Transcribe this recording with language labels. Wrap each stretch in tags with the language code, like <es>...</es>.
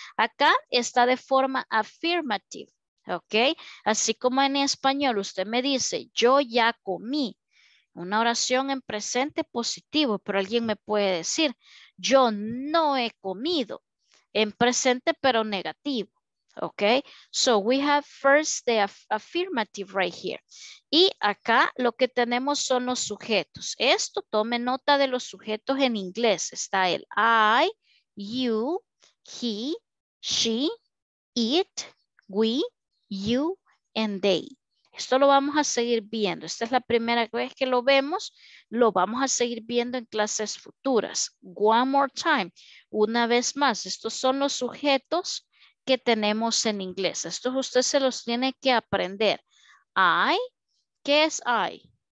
<es>Acá está de forma affirmative, ¿ok? Así como en español, usted me dice, yo ya comí. Una oración en presente positivo, pero alguien me puede decir, yo no he comido, en presente pero negativo, ¿ok?</es> <en>So we have first the affirmative right here.</en> <es>Y acá lo que tenemos son los sujetos. Esto, tome nota de los sujetos en inglés. Está el I, you, he, she, it, we, you, and they. Esto lo vamos a seguir viendo. Esta es la primera vez que lo vemos. Lo vamos a seguir viendo en clases futuras.</es> <en>One more time.</en> <es>Una vez más. Estos son los sujetos que tenemos en inglés. Estos usted se los tiene que aprender. I. ¿Qué es I?</es>